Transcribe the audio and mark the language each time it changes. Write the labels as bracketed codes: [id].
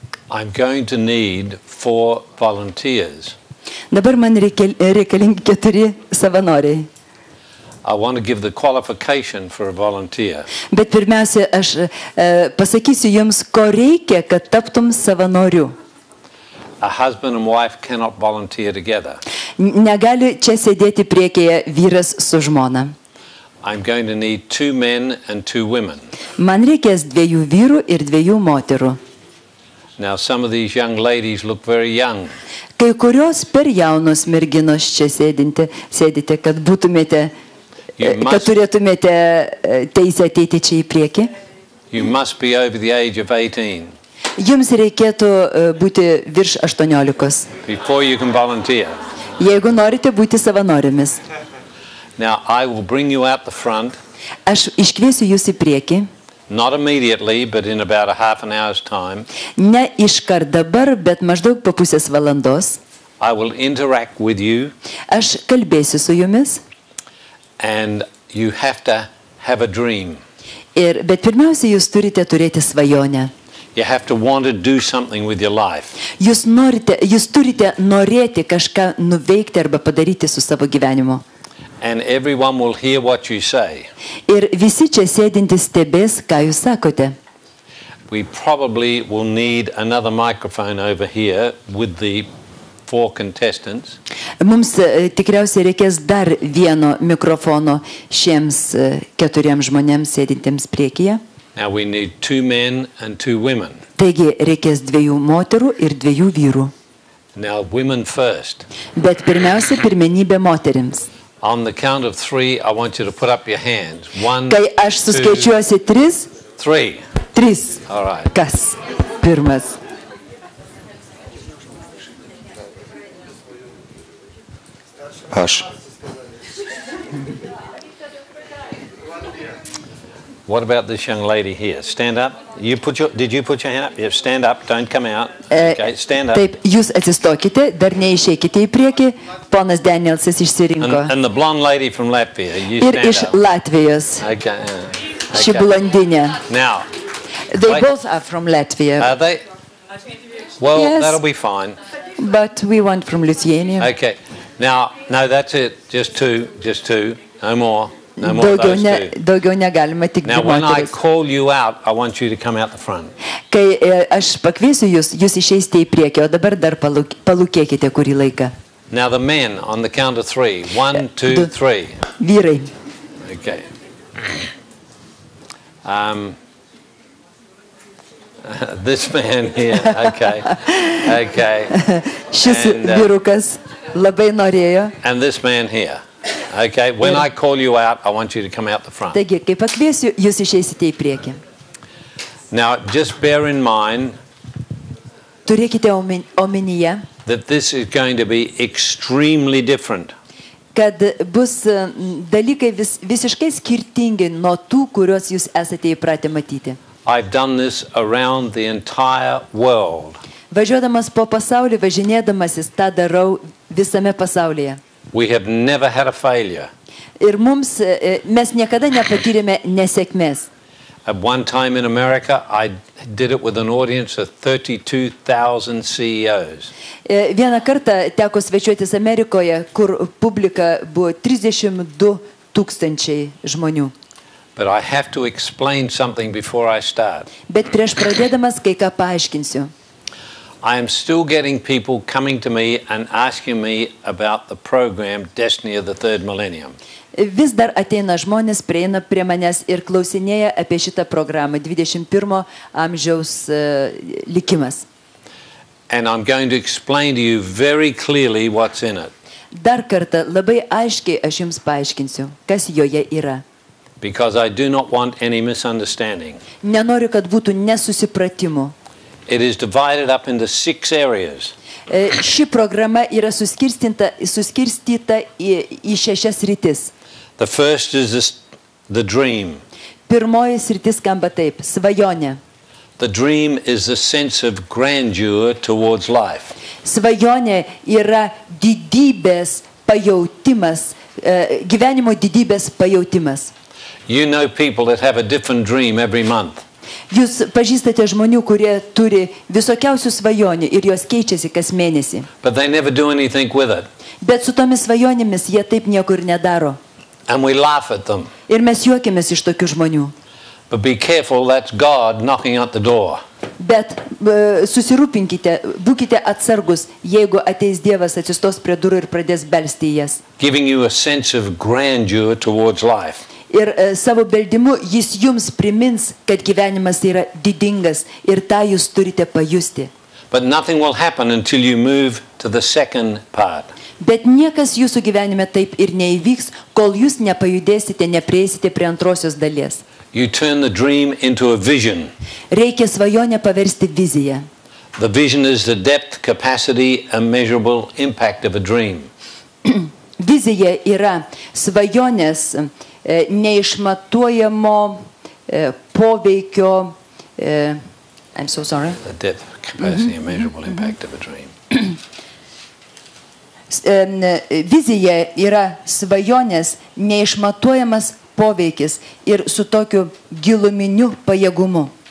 [en] I'm going to need 4 volunteers. [lt] Dabar man reikalingi 4 savanoriai. [en] I want to give the qualification for a volunteer. [lt] Bet pirmiausia, aš pasakysiu jums, ko reikia, kad taptum savanoriu. [en] A husband and wife cannot volunteer together. [lt] Negali čia sėdėti priekyje vyras su žmona. [en] I'm going to need 2 men and 2 women. [lt] Man reikės 2 vyrų ir 2 moterų. [en] Now some of these young ladies look very young. [lt] Kai kurios per jaunos merginos čia sėdinti, sėdite, kad būtumėte, kad turėtumėte teisę ateiti čia į priekį. [en] You must be over the age of 18. [lt] Jums reikėtų būti virš 18. [en] Before you can volunteer. [lt] Jeigu norite būti savanorėmis. [en] Now I will bring you out the front. [lt] Aš iškviesiu jūs į priekį. [en] Not immediately, but in about a half an hour's time. [lt] Ne iškart dabar, bet maždaug po pusės valandos. [en] I will interact with you. [lt] Aš kalbėsiu su jumis. [en] And you have to have a dream. [lt] Ir bet pirmiausia, jūs turite turėti svajonę. [en] You have to want to do something with your life. [lt] Jūs turite norėti kažką nuveikti arba padaryti su savo gyvenimu. [en] And everyone will hear what you say. [lt] Ir visi čia sėdintys stebės, ką jūs sakote. [en] We probably will need another microphone over here with the 4 contestants. [lt] Mums tikriausiai reikės dar vieno mikrofono šiems 4 žmonėms sėdintiems priekyje. [en] Now we need 2 men and 2 women. [lt] Taigi reikės 2 moterų ir 2 vyrų. [en] Now women first. [lt] Bet pirmiausia pirmenybė moterims. [en] On the count of 3, I want you to put up your hands. 1, [lt] kai aš suskaičiuosiu 3. 3. [en] All right. [lt] Kas pirmas? Aš. [en] What about this young lady here? Stand up. Did you put your hand up? Yeah, stand up. Don't come out. Okay, stand up. [lt] Taip, jūs atsistokite, dar neišėkite į priekį. Ponas Danielsas išsirinko. [en] And the blonde lady from Latvia. You [lt] ir [en] stand [lt] iš Latvijos. [en] Okay. [lt] Ši blondinė. [en] Now. They both are from Latvia. Are they? Well, yes. That'll be fine. But we want from Lithuania. Okay. Now, no, that's it. Just two. No more. No more [lt] daugiau [en] of those two. [lt] Daugiau negalima, tik [en] now, when I call you out, I want you to come out the front. [lt] Kai aš pakviesiu jūs, jūs išeisite į priekį, o dabar dar palūkėkite kurį laiką. [en] Now, the men on the count of 3. 1, 2, 3. [lt] Vyrai. [en] Okay. This man here. Okay. Okay. [lt] Šis vyrukas. Labai norėjo. [en] And this man here. Okay, when I call you out, I want you to come out the front. [lt] Taigi, kai pakviesiu, jūs išeisite į priekį. [en] Now, just bear in mind. [lt] Turėkite omenyje. [en] That this is going to be extremely different. [lt] Kad bus dalykai visiškai skirtingi nuo tų, kuriuos jūs esate įpratę matyti. [en] I've done this around the entire world. [lt] Važiuodamas po pasaulį, važinėdamasis, tą darau visame pasaulyje. [en] We have never had a failure. [lt] Ir mums, mes niekada nepatyrėme nesėkmės. [en] At one time in America, I did it with an audience of 32,000 CEOs. [lt] Vieną kartą teko svečiuotis Amerikoje, kur publika buvo 32 tūkstančiai žmonių. [en] But I have to explain something before I start. [lt] Bet prieš pradėdamas kai ką paaiškinsiu. [en] I am still getting people coming to me and asking me about the program Destiny of the Third Millennium. [lt] Vis dar ateina žmonės, prieina prie manęs ir klausinėja apie šitą programą 21 amžiaus likimas. [en] And I'm going to explain to you very clearly what's in it. [lt] Dar kartą labai aiškiai aš jums paaiškinsiu, kas joje yra. [en] Because I do not want any misunderstanding. [lt] Nenoriu, kad būtų nesusipratimų. [en] It is divided up into 6 areas. [lt] Ši programa yra suskirstyta į 6 sritis. [en] The first is the dream. [lt] Pirmoji sritis skamba taip, svajonė. [en] The dream is the sense of grandeur towards life. [lt] Svajonė yra didybės pajautimas, gyvenimo didybės pajautimas. [en] You know people that have a different dream every month. [lt] Jūs pažįstate žmonių, kurie turi visokiausių svajonių ir jos keičiasi kas mėnesį. [en] But they never do anything with it. [lt] Bet su tomis svajonėmis jie taip nieko ir nedaro. [en] And we laugh at them. [lt] Ir mes juokiamės iš tokių žmonių. [en] But be careful, that's God knocking at the door. [lt] Bet susirūpinkite, būkite atsargus, jeigu ateis Dievas, atsistos prie durų ir pradės belsti jas. [en] Giving you a sense of grandeur towards life. [lt] Ir savo beldimu jis jums primins, kad gyvenimas yra didingas ir tą jūs turite pajusti. [en] But nothing will happen until you move to the second part. [lt] Bet niekas jūsų gyvenime taip ir neįvyks, kol jūs nepajudėsite, neprieisite prie antrosios dalies. [en] You turn the dream into a vision. [lt] Reikia svajonę paversti viziją. [en] The vision is the depth, capacity, and measurable impact of a dream. [lt] Vizija yra svajonės neišmatuojamo poveikio. [en] I'm so sorry. The depth, capacity, and measurable impact of a dream. [lt] Vizija yra svajonės neišmatuojamas poveikis ir su tokiu giluminiu pajėgumu.